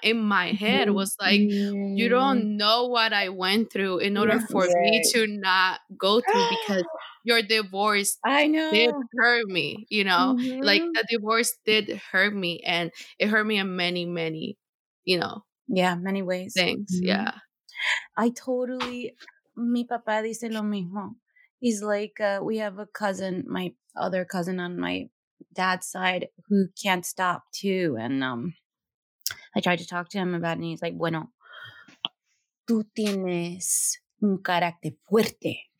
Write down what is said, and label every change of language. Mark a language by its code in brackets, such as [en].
[en] In my head was like, you don't know what I went through in order for me to not go through, because your divorce did hurt me, you know? Like, the divorce did hurt me, and it hurt me in many, many you know. Yeah, many ways. Things, mm-hmm. Yeah. I totally, [es] mi papá dice lo mismo. [en] He's like, we have a cousin, my other cousin on my dad's side who can't stop too. And I tried to talk to him about it and he's like, [es] bueno, tú tienes un carácter fuerte.